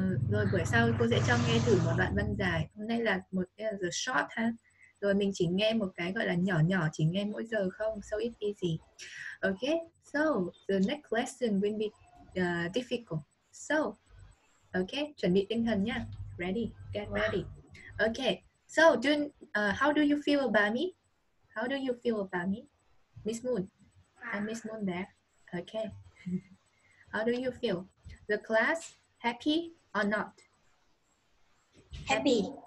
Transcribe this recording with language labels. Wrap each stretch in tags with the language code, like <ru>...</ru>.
<vi>Rồi buổi sau cô sẽ cho nghe thử một đoạn văn dài. Hôm nay là một</vi> <en>the short</en> <vi>ha. Rồi mình chỉ nghe một cái gọi là nhỏ nhỏ, chỉ nghe mỗi giờ không,</vi> <en>so it's easy. Okay, so the next lesson will be difficult.</en> <vi>So, okay, chuẩn bị tinh thần nha.</vi> <en>Ready, get ready. Okay, so how do you feel about me? How do you feel about me? Miss Moon, I'm Miss Moon there. Okay, how do you feel? The class, happy or not? Happy.</en>